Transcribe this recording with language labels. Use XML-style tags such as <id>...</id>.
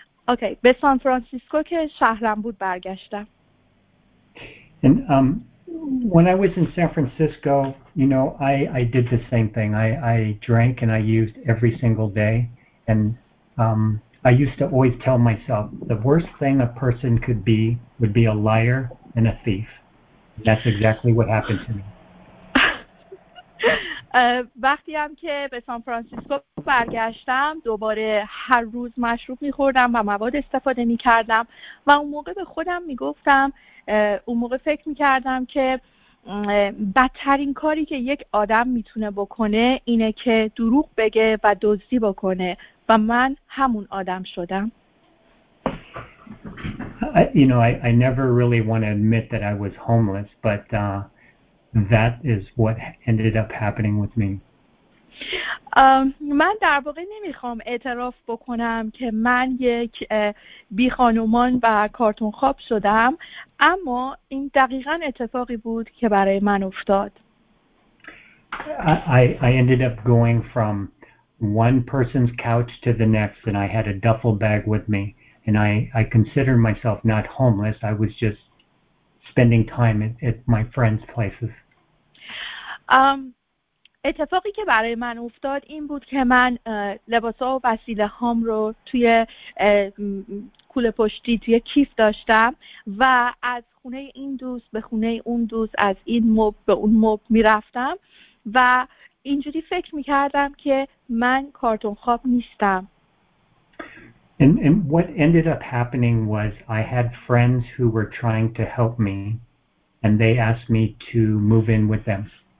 <fa>Okay, به سان فرانسیسکو که شهرم بود برگشتم.</fa> <en>And when I was in San Francisco, you know, I did the same thing. I drank and I used every single day. And I used to always tell myself the worst thing a person could be would be a liar and a thief. That's exactly what happened to me.</en> <fa>وقتی هم که به سان فرانسیسکو برگشتم دوباره هر روز مشروب می‌خوردم و مواد استفاده می‌کردم و اون موقع به خودم می‌گفتم اون موقع فکر می‌کردم که بدترین کاری که یک آدم می‌تونه بکنه اینه که دروغ بگه و دزدی بکنه و من همون آدم شدم.</fa> <en>I never really want to admit that I was homeless, but that is what ended up happening with me.</en> <fa>من در واقع نمیخوام اعتراف بکنم که من یک بی خانومان و کارتون خواب شدم، اما این دقیقاً اتفاقی بود که برای من افتاد.</fa> <en>I ended up going from one person's couch to the next, and I had a duffel bag with me, and I considered myself not homeless. I was just spending time at my friends' places.</en> <fa>اتفاقی که برای من افتاد این بود که من لباس ها و وسیله هام رو توی کوله پشتی توی کیف داشتم و از خونه این دوست به خونه اون دوست، از این موب به اون موب می رفتم و اینجوری فکر می کردم که من کارتون خواب نیستم.</fa> <en>And what ended up happening was I had friends who were trying to help me and they asked me to move in with them.</en>